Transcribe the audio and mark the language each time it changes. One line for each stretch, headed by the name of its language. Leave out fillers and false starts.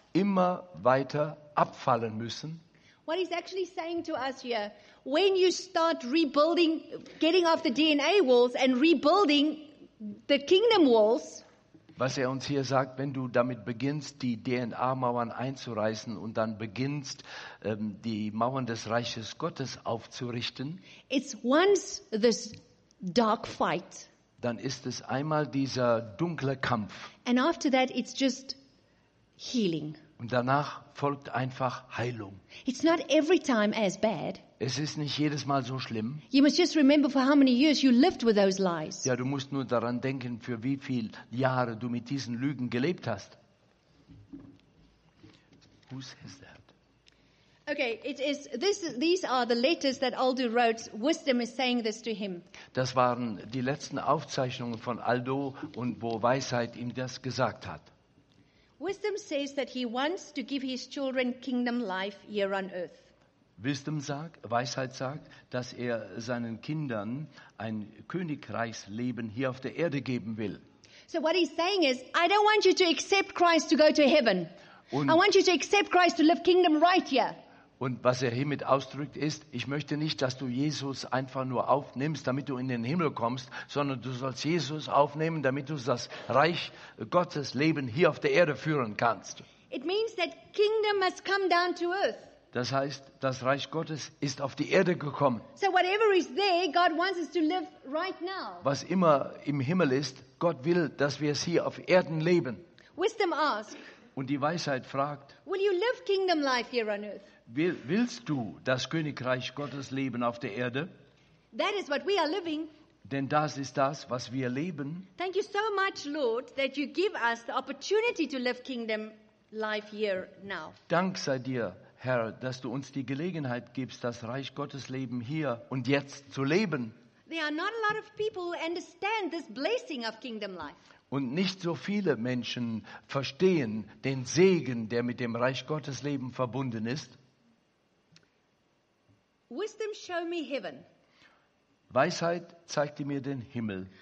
German: Immer weiter abfallen müssen.
English: What he's actually saying to us here, when you start rebuilding, getting off the DNA walls and rebuilding the kingdom walls.
German: Was er uns hier sagt, wenn du damit beginnst, die DNA-Mauern einzureißen und dann beginnst, die Mauern des Reiches Gottes aufzurichten.
English: It's once this dark fight.
German: Dann ist es einmal dieser dunkle Kampf.
English: And after that it's just healing.
German: Und danach folgt einfach Heilung.
English: It's not every time as bad.
German: Es ist nicht jedes Mal so schlimm.
English: You must just remember for how many years you lived with those lies.
German: Ja, du musst nur daran denken, für wie viele Jahre du mit diesen Lügen gelebt hast.
English: Who says that? Okay, it is this. These are the letters that Aldo wrote. Wisdom is saying this to him.
German: Das waren die letzten Aufzeichnungen von Aldo und wo Weisheit ihm das gesagt hat.
English: Wisdom says that he wants to give his children kingdom life here on earth.
German: Wisdom sagt, Weisheit sagt, dass er seinen Kindern ein Königreichsleben hier auf der Erde geben will.
English: So what he's saying is, I don't want you to accept Christ to go to heaven. I want you to accept Christ to live kingdom right here.
German: Und was er hiermit ausdrückt ist, ich möchte nicht, dass du Jesus einfach nur aufnimmst, damit du in den Himmel kommst, sondern du sollst Jesus aufnehmen, damit du das Reich Gottes Leben hier auf der Erde führen kannst.
English: It means that kingdom has come down to earth.
German: Das heißt, das Reich Gottes ist auf die Erde gekommen.
English: So whatever is there, God wants us to live right now.
German: Was immer im Himmel ist, Gott will, dass wir es hier auf Erden leben.
English: Wisdom asks,
German: und die Weisheit fragt,
English: will you live kingdom life here on earth?
German: Willst du das Königreich Gottes leben auf der Erde?
English: That is what we are living.
German: Denn das ist das, was wir leben.
English: Thank you so much, Lord, that you give us the opportunity to live kingdom life here now.
German: Dank sei dir, Herr, dass du uns die Gelegenheit gibst, das Reich Gottes Leben hier und jetzt zu leben.
English: There are not a lot of people who understand this blessing of kingdom life.
German: Und nicht so viele Menschen verstehen den Segen, der mit dem Reich Gottes Leben verbunden ist.
English: Wisdom, show me heaven.
German: Weisheit zeigte mir den Himmel.